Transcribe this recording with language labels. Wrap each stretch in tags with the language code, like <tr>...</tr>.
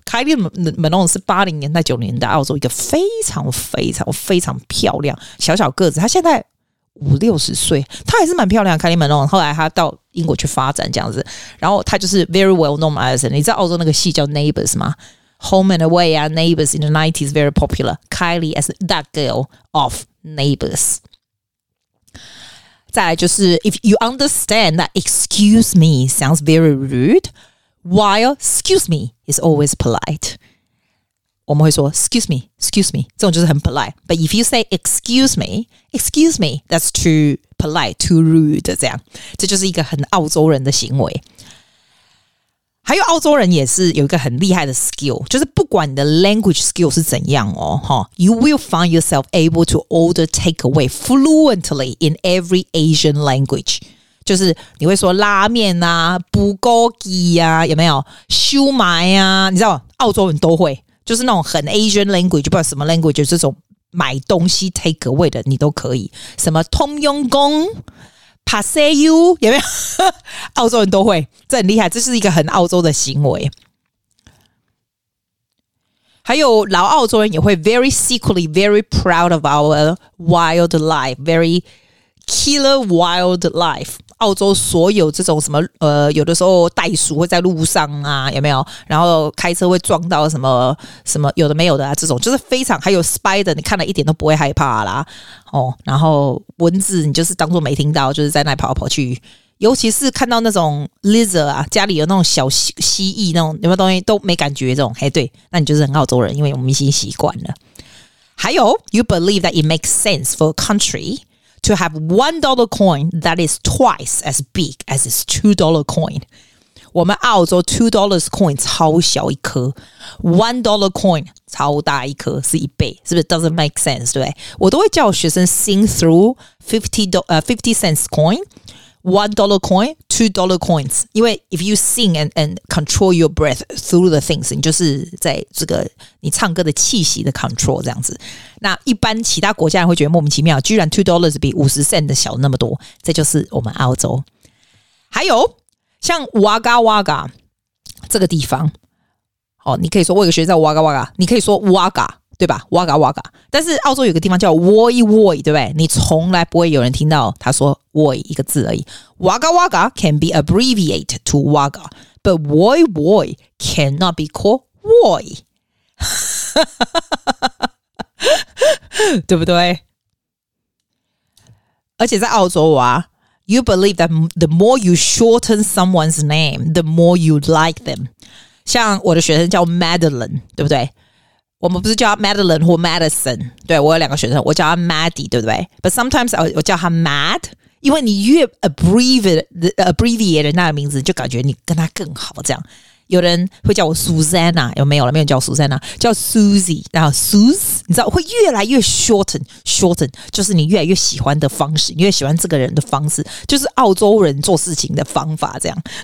<zh>Kylie Minogue 是80年代90年代澳洲一个非常非常非常漂亮小小个子，她现在50-60岁，她还是蛮漂亮的 Kylie Minogue。后来她到英国去发展这样子，然后她就是</zh> <en>very well known as，</en> <zh>你知道澳洲那个戏叫 Neighbors 吗？</zh> <en>Home and Away 啊 Neighbors in the 90s very popular， Kylie as that girl of Neighbors。再来就是 If you understand that excuse me sounds very rude while excuse me is always polite，</en> <zh>我们会说 excuse me 这种就是很 polite，</zh> <en>but if you say excuse me that's too polite， too rude，</en> <zh>这样这就是一个很澳洲人的行为。还有澳洲人也是有一个很厉害的 skill， 就是不管你的 language skill 是怎样哦，哈 ，</zh> <en>you will find yourself able to order takeaway fluently in every Asian language，</en> <zh>就是你会说拉面啊、布谷鸡啊，有没有烧麦啊？你知道澳洲人都会，就是那种很 Asian language， 不管什么 language， 这种买东西 takeaway 的你都可以，什么 Tom Yum Goong。帕塞尤有没有？澳洲人都会，这很厉害，这是一个很澳洲的行为。还有老澳洲人也会</zh> <en>very secretly very proud of our wildlife， very killer wildlife。</en> <zh>澳洲所有这种什么有的时候袋鼠会在路上啊，有没有？然后开车会撞到什么什么有的没有的啊，这种就是非常。还有 spider， 你看了一点都不会害怕啦。哦，然后蚊子你就是当作没听到，就是在那跑跑去。尤其是看到那种 lizard 啊，家里有那种小蜥蜴那种，有没有东西都没感觉这种，嘿，对，那你就是很澳洲人，因为我们已经习惯了。还有</zh> <en>you believe that it makes sense for a country to have $1 coin that is twice as big as its $2 coin。</en> <zh>我们澳洲$2 coin 超小一颗 $1 coin 超大一颗是一倍，是不是</zh> <en>doesn't make sense，</en> <zh>对不对？我都会叫学生 think through 50 cents coin, $1 coin, $2 coins， 因为</zh> <en>if you sing and control your breath through the things，</en> <zh>你就是在这个你唱歌的气息的 control 这样子。那一般其他国家人会觉得莫名其妙，居然$2 比50 cents 的小那么多，这就是我们澳洲。还有像 Wagga Wagga 这个地方，哦，你可以说我有个学生在 Wagga Wagga， 你可以说 Wagga 对吧 ？Wagga Wagga， 但是澳洲有个地方叫 Woi Woi， 对不对？你从来不会有人听到他说 Woi 一个字而已。</zh> <en>Wagga Wagga can be abbreviated to Wagga， but Woi Woi cannot be called Woi，</en> <zh>对不对？而且在澳洲啊。</zh> <en>You believe that the more you shorten someone's name, the more you like them.</en> <zh>像我的学生叫 Madeline, 对不对？我们不是叫 Madeline 或 Madison, 对，我有两个学生，我叫 Maddie, 对不对？</zh> <en>But sometimes</en> <zh>我叫他 Mad, 因为你越 abbreviate 那个名字，就感觉你跟他更好这样。有人会叫我 Susanna， 有没有了？没有叫 Susanna， 叫 Susie， 然后 Sus， 你知道会越来越 shorten， 就是你越来越喜欢的方式，你越喜欢这个人的方式，就是澳洲人做事情的方法这样。</zh>